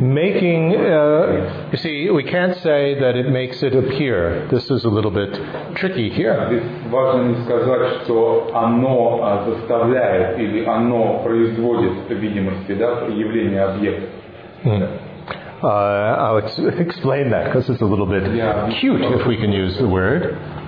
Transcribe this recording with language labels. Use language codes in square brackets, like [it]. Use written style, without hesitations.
[en] Making, you see, we can't say that it makes it appear. This is a little bit tricky here. [ru] Важно не сказать, что оно заставляет или оно производит видимости, да, явление объекта. [en] I'll explain that because it's a little bit cute, if we can use the word.